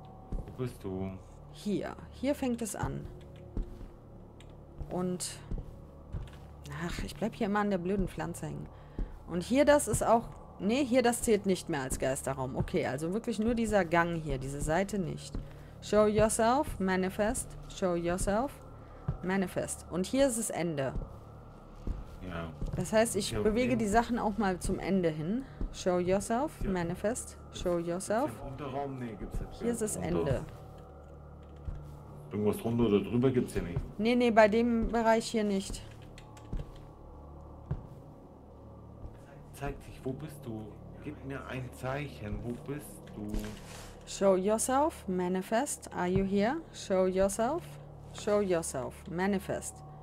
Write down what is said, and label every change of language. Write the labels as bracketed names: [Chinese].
[German] Wo bist du? Hier. Hier fängt es an. Und... Ach, ich bleib hier immer an der blöden Pflanze hängen. Und hier, das ist auch... Nee, hier, das zählt nicht mehr als Geisterraum. Okay, also wirklich nur dieser Gang hier, diese Seite nicht. [English] Show yourself, manifest. Show yourself, manifest. [German] Und hier ist das Ende. Ja. Das heißt, ich bewege die Sachen auch mal zum Ende hin. [English] Show yourself, manifest. Show yourself. [German] Hier ist das Ende. Irgendwas drunter oder drüber gibt's hier nicht. Nee, nee, bei dem Bereich hier nicht. Zeig dich, wo bist du? Gib mir ein Zeichen, wo bist du? [English] Show yourself, manifest. Are you here? Show yourself. Show yourself, manifest.